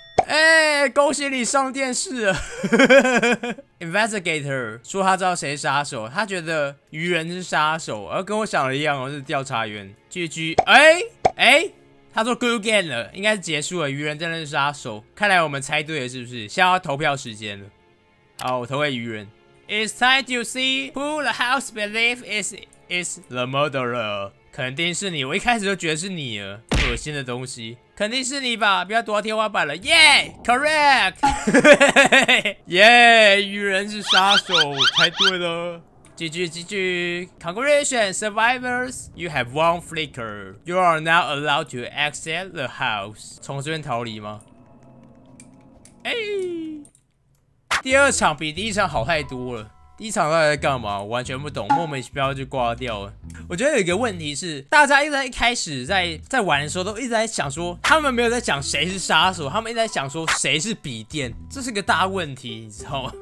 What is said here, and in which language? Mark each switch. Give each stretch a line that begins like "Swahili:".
Chinese: 哎、欸，恭喜你上电视了！Investigator 说他知道谁杀手，他觉得愚人是杀手，而跟我想的一样，我是调查员。 GG， 哎，他说
English: Good game
Chinese: 了，应该是结束了，愚人真的是杀手。看来我们猜对了，是不是？现在要投票时间了。好，我投给愚人。
English: It's time to see who the house believes is the murderer。
Chinese: 肯定是你，我一开始就觉得是你了。恶心的东西，肯定是你吧？不要躲到天花板了，耶、yeah! ！Correct， 耶！愚人是杀手，猜对了。
English: GG， Congratulations, survivors, you have one flicker. You are now allowed to exit the house.
Chinese: 从这边逃离吗？哎，第二场比第一场好太多了。第一场到底在干嘛？我完全不懂，莫名其妙就挂掉了。我觉得有一个问题是，大家一直在一开始在玩的时候，都一直在想说，他们没有在讲谁是杀手，他们一直在想说谁是笔电，这是个大问题，你知道吗？